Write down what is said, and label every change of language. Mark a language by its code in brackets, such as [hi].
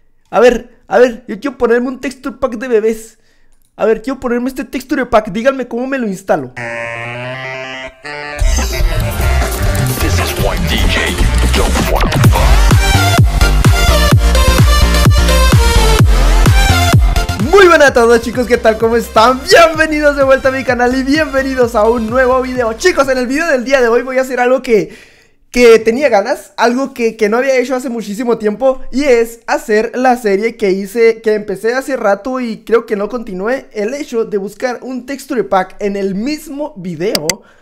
[es] A ver, yo quiero ponerme un Texture Pack de bebés. A ver, quiero ponerme este Texture Pack. Díganme cómo me lo instalo. [en] This is one DJ you don't wanna fuck. [es] Muy buenas a todos, chicos, ¿qué tal? ¿Cómo están? Bienvenidos de vuelta a mi canal y bienvenidos a un nuevo video. Chicos, en el video del día de hoy voy a hacer algo que tenía ganas, algo que no había hecho hace muchísimo tiempo, y es hacer la serie que hice, que empecé hace rato y creo que no continué, el hecho de buscar un texture pack en el mismo video.